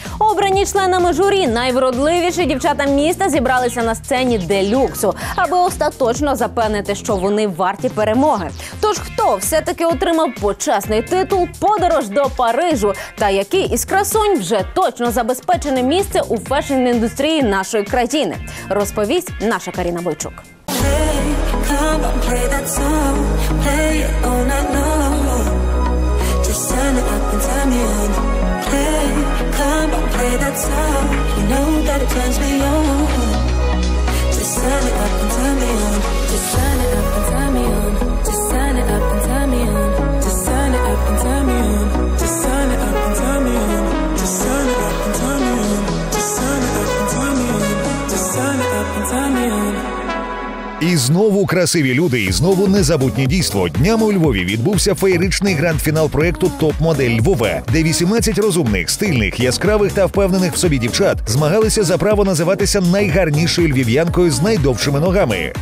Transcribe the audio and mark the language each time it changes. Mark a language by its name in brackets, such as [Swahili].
[Ukrainian] Обрані членами журі, найвродливіші дівчата міста зібралися на сцені делюксу, аби остаточно запевнити, що вони варті перемоги. Тож хто все-таки отримав почесний титул «Подорож до Парижу» та який із красунь вже точно забезпечене місце у фешн-індустрії нашої країни? Розповість наша Каріна Бойчук. [English] Play that song, play it all night long. Just turn it up and turn me on. Play, come on, play that song. You know that it turns me on. Just turn it up and turn me on. Just turn it up and turn me on. Just turn it up and turn me on. Just turn it up and turn me on. Just turn it up and turn me on. Just turn it up and turn me on. Just turn it up and turn me on. Just turn it up and turn me on. [Ukrainian] І знову красиві люди, і знову незабутнє дійство. Днями у Львові відбувся феєричний гранд-фінал проєкту «Топ-модель Львове», де 18 розумних, стильних, яскравих та впевнених в собі дівчат змагалися за право називатися найгарнішою львів'янкою з найдовшими ногами.